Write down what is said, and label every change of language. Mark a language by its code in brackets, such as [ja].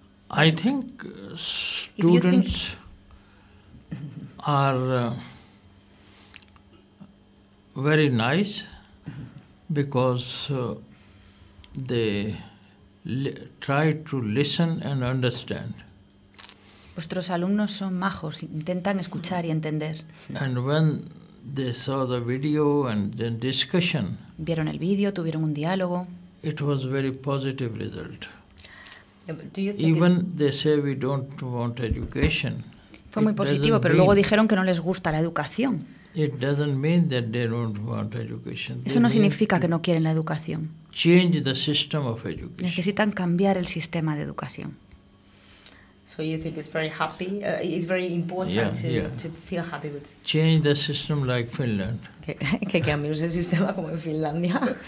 [en] I think students are very nice because they try to listen and understand. [es] Vuestros alumnos son majos, intentan escuchar y entender. [en] And when they saw the video and the discussion, [es] vieron el video, tuvieron un diálogo. [en] It was very positive result. Do you think even they say we don't want education? [es] Fue muy positivo, pero luego dijeron que no les gusta la educación. [en] It doesn't mean that they don't want education. [es] Eso no significa que no quieren la educación. [en] Change the system of education. [es] Necesitan cambiar el sistema de educación. [en] So you think it's very happy? It's very important to feel happy with. Change the system like Finland. [es] Que cambies el sistema como en Finlandia.